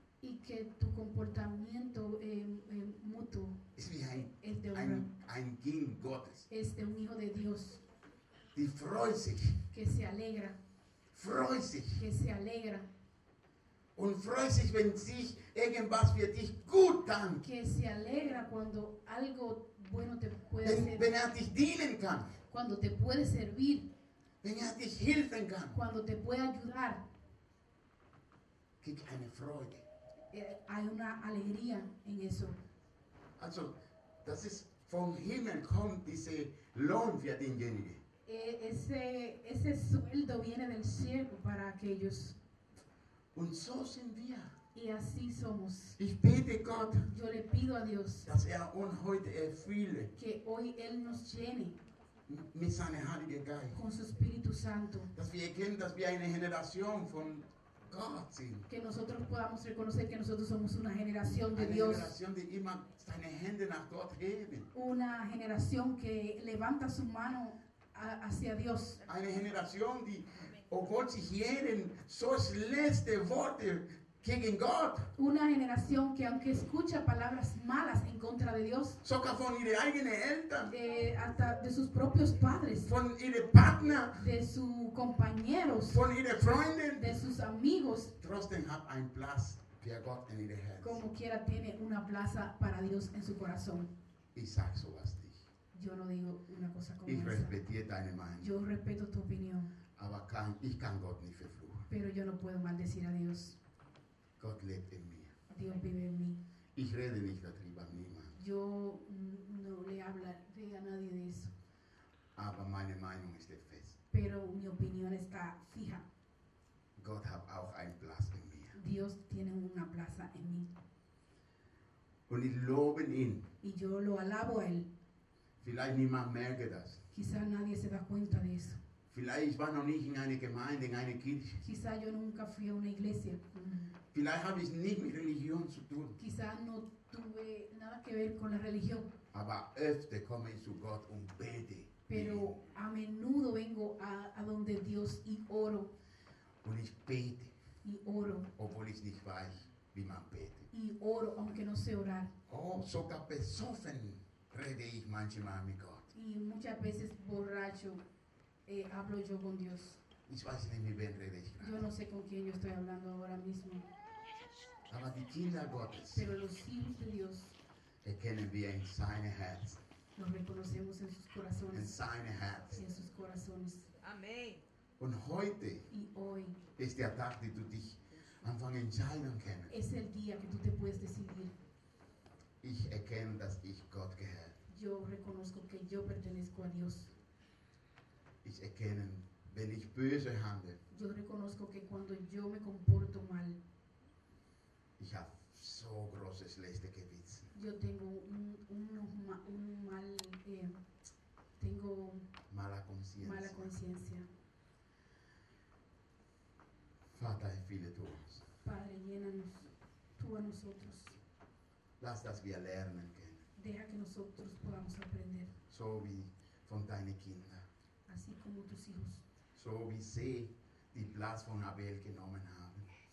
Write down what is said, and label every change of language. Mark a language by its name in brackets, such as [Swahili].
[Spanish] Y que tu comportamiento mutuo [German] es ein Kind Gottes. [Spanish] Es de un hijo de Dios. [German] Die freut sich. [Spanish] Que se alegra. [German] Freut sich. [Spanish] Que se alegra. [German] Und freut sich, wenn sich irgendwas für dich gut tut. [Spanish] Que se alegra cuando algo bueno te puede servir. [German] Wenn er dich dienen kann. [Spanish] Cuando te puede servir. [German] Wenn er dich helfen kann. [Spanish] Cuando te puede ayudar. [German] Gibt eine Freude. [Spanish] Hay una alegría en eso. [German] Also, das ist vom Himmel kommt diese Lohn für denjenigen. [Spanish] Ese sueldo viene del cielo para aquellos. [German] Und so sind wir. [Spanish] Y así somos. [German] Ich bete Gott. [Spanish] Yo le pido a Dios. [German] Dass er uns heute erfülle. [Spanish] Que hoy él nos llene. [German] mit seinem Heiligen Geist. [Spanish] Con su Espíritu Santo. [German] Dass wir erkennen, dass wir eine Generation von Gott sind. [Spanish] Que nosotros podamos reconocer que nosotros somos una generación de Dios. [German] Eine Generation, die immer seine Hände nach Gott heben. [Spanish] Una generación que levanta su mano hacia Dios. [German] Eine Generation, die oh Gott, sie hören so schlechte Worte gegen Gott. [Spanish] Una generación que aunque escucha palabras malas en contra de Dios, [German] sogar von ihren eigenen Eltern, [Spanish] hasta de sus propios padres, [German] von ihren Partner, [Spanish] de sus compañeros, [German] von ihren Freunden, [Spanish] de sus amigos, [German] trotzdem hat ein Platz für Gott in ihren Herzen. [Spanish] Como quiera tiene una plaza para Dios en su corazón. [German] Isaac, so was dich. [Spanish] Yo no digo una cosa como [German] ich respetiere deine Meinung. [Spanish] Yo respeto tu opinión. [German] Aber kann, ich kann Gott nicht verfluchen. [Spanish] Pero yo no puedo maldecir a Dios. [German] Gott lebt in mir. [Spanish] Dios vive en mí. [German] Ich rede nicht darüber mit niemandem. [Spanish] Yo no le hablaré a nadie de eso. [German] Aber meine Meinung ist fest. [Spanish] Pero mi opinión está fija. [German] Gott hat auch einen Platz in mir. [Spanish] Dios tiene una plaza en mí. [German] Und ich lobe ihn. [Spanish] Y yo lo alabo a él. [German] Vielleicht niemand merke das. [Spanish] Quizá nadie se da cuenta de eso. [German] Vielleicht ich war noch nicht in einer Gemeinde, in einer Kirche. [Spanish] Quizá yo nunca fui a una iglesia. [German] Vielleicht habe ich nicht mit Religion zu tun. [Spanish] Quizá no tuve nada que ver con la religión. [German] Aber öfter komme ich zu Gott und bete. [Spanish] Pero a menudo vengo a donde Dios y oro. [German] Und ich bete. [Spanish] Y oro. [German] Obwohl ich nicht weiß, wie man betet. [Spanish] Y oro, aunque no sé orar. [German] Oh, sogar besoffen rede ich manchmal mit Gott. [Spanish] Y muchas veces borracho. Hablo yo con Dios. [German] Ich weiß nicht, wie wir reden. [Spanish] Yo no sé con quién yo estoy hablando ahora mismo. [German] Aber die Kinder Gottes, [Spanish] pero los hijos de Dios, [German] erkennen wir in seine Herz, [Spanish] los reconocemos en sus corazones, [German] in seine Herz, [Spanish] en sus corazones. Amen. [German] Und heute, [Spanish] y hoy, [German] ist der Tag, den du dich anfangen entscheiden kannst. [Spanish] Es el día que tú te puedes decidir. [German] Ich erkenne, dass ich Gott gehört. [Spanish] Yo reconozco que yo pertenezco a Dios. [German] Ich erkenne, wenn ich böse handle. [Spanish] Yo reconozco que cuando yo me comporto mal. [German] Ich habe so große schlechte Gewissen. [Spanish] Yo tengo un mal tengo mala conciencia. [German] Vater, erfülle du uns. [Spanish] Padre, llénanos tú a nosotros. [German] Lass das wir lernen können. [Spanish] Deja que nosotros podamos aprender. [German] So wie von deinen Kindern. [Spanish] Así como tus hijos. [German] So wie sie den Platz von Abel genommen haben.